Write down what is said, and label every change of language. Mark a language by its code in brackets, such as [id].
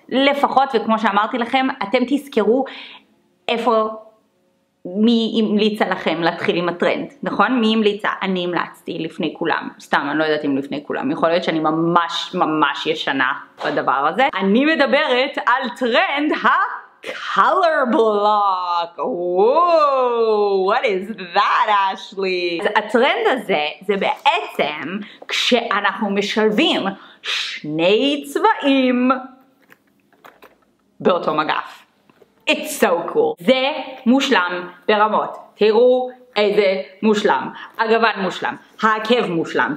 [he] לפחות, וכמו שאמרתי לכם, אתם תזכרו איפה, מי המליצה לכם להתחיל עם הטרנד, נכון? מי המליצה? אני המלצתי לפני כולם. סתם, אני לא יודעת אם לפני כולם. יכול להיות שאני ממש ממש ישנה בדבר הזה. אני מדברת על טרנד ה-color block. [en] וואו, what is that, Ashley? [he] אז הטרנד הזה זה בעצם כשאנחנו משלבים שני צבעים באותו מגף. [en] It's so cool. [he] זה מושלם ברמות. תראו איזה מושלם. הגוון מושלם. העקב מושלם.